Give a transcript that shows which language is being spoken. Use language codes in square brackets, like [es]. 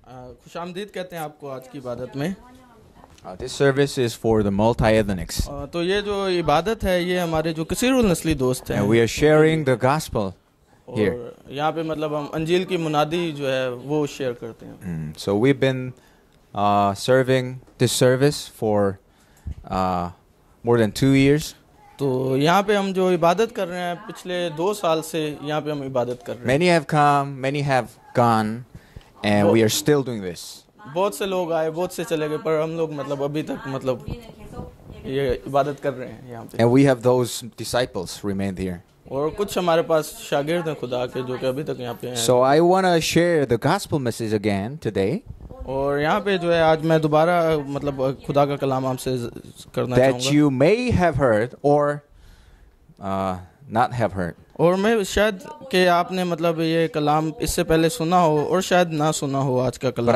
[ur] خوش آمدید کہتے ہیں آپ کو آج کی عبادت میں. [en] This service is for the multi-ethnics. [ur] تو یہ جو عبادت ہے یہ ہمارے جو کثیر النسلی دوست ہیں. [en] And we are sharing the gospel here. [ur] اور یہاں پہ مطلب ہم انجیل کی منادی جو ہے وہ شیئر کرتے ہیں. [en] So we've been serving this service for more than 2 years. [ur] تو یہاں پہ ہم جو عبادت کر رہے ہیں پچھلے 2 سال سے یہاں پہ ہم عبادت کر رہے ہیں. [en] Many have come, many have gone, and we are still doing this. [ur] بہت سے لوگ آئے بہت سے چلے گئے پر ہم لوگ مطلب ابھی تک مطلب یہ عبادت کر رہے ہیں یہاں پہ. [en] And we have those disciples remained here. [ur] اور کچھ ہمارے پاس شاگرد ہیں خدا کے جو کہ ابھی تک یہاں پہ ہیں. [en] So I want to share the gospel message again today. [ur] اور یہاں پہ جو ہے آج میں دوبارہ مطلب خدا کا کلام آپ سے کرنا چاہوں گا. [en] That you may have heard or not have heard. [ur] اور میں شاید کہ آپ نے مطلب یہ کلام اس سے پہلے سنا ہو اور شاید نہ سنا ہو آج کا کلام.